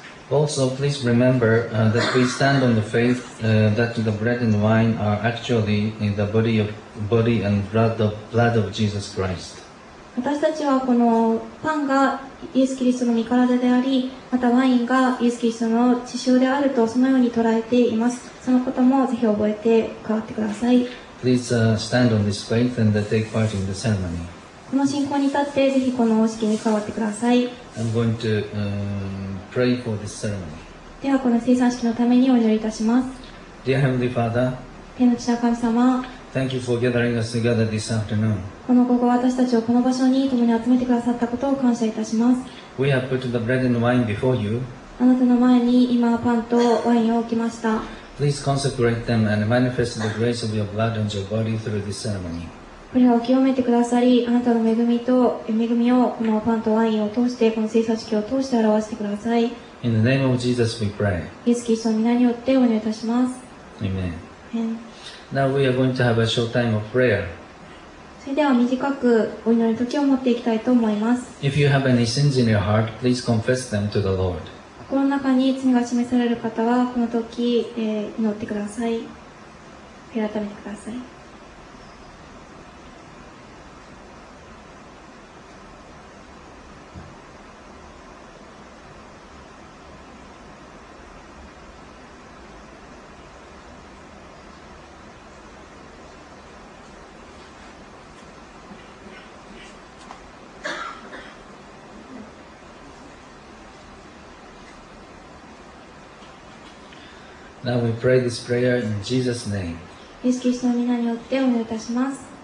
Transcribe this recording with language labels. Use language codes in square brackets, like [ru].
[en] Also, please remember, that we stand on the faith, that the bread and wine are actually in the body and blood of Jesus Christ. [ja] 私たちはこのパンがイエス・キリストの身体であり、またワインがイエス・キリストの血潮であるとそのように捉えています。そのこともぜひ覚えて加わってください。 [en] Please stand on this faith and take part in the ceremony. [ja] この信仰に立ってぜひこの式に加わってください。 [en] I'm going to pray for this ceremony. [ja] ではこの聖餐式のためにお祈りいたします。 [en] Dear Heavenly Father, [ja] 天の父なる神様、 [en] Thank you for gathering us together this afternoon. [ja] この午後私たちをこの場所に共に集めてくださったことを感謝いたします。 [en] We have put the bread and wine before you. [ja] あなたの前に今パンとワインを置きました。 [en] Please consecrate them and manifest the grace of your blood and your body through this ceremony. [ja] これを清めてくださり、あなたの恵みをこのパンとワインを通して、この聖餐式を通して表してください。 [en] In the name of Jesus, we pray. [ja] イエス・キリストの皆によってお願いいたします。 [en] Amen. Now we are going to have a short time of prayer. [ja] それでは短くお祈りの時を持っていきたいと思います。 [en] If you have any sins in your heart, please confess them to the Lord. [ja] 心の中に罪が示される方はこの時、祈ってください。悔い改めてください。 [en] Now we pray this prayer in Jesus' name. [ja] イエス・キリストの名によってお祈りいたします。